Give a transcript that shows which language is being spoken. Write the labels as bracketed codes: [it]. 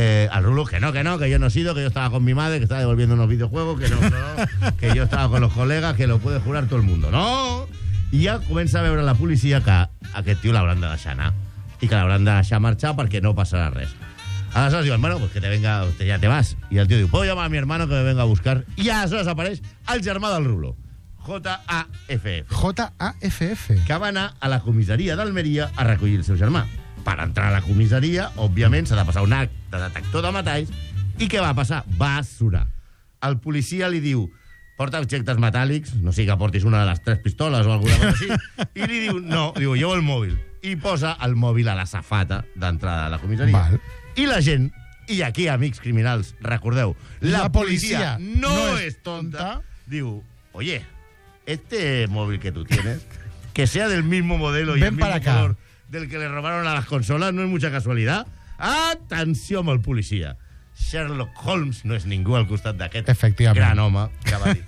[es] al rulo, que yo no he sido, que yo estaba con mi madre, que estaba devolviendo unos videojuegos, que no, que yo estaba con los colegas, que lo puede jurar todo el mundo. ¡No! [ca] I ja comença a veure la policia que aquest tio l'hauran de deixar anar i que l'hauran de deixar marxar perquè no passarà res. Aleshores diuen, [es] bueno, pues que te venga, ya te vas. [ca] I el tio diu, [es] puedo llamar a mi hermano que me venga a buscar. [ca] I aleshores apareix el germà del rulo, J-A-F-F. J-A-F-F. Que va anar a la comissaria d'Almeria a recollir el seu germà. Per entrar a la comissaria, òbviament, s'ha de passar un acte de detector de metalls. I què va passar? Va surar. El policia li diu, porta objectes metàl·lics, no sigui que portis una de les tres pistoles o alguna cosa així, i li diu, no, diu, jo el mòbil. I posa el mòbil a la safata d'entrada de la comissaria. Val. I la gent, i aquí, amics criminals, recordeu, la policia no és tonta, diu, [es] oye, este mòbil que tu tienes, que sea del mismo modelo ven y el mismo acá. Color... del que le robaron a las consolas, no es mucha casualidad. [ca] ¡Atenció amb el policia! Sherlock Holmes no és ningú al costat d'aquest gran home que va dir.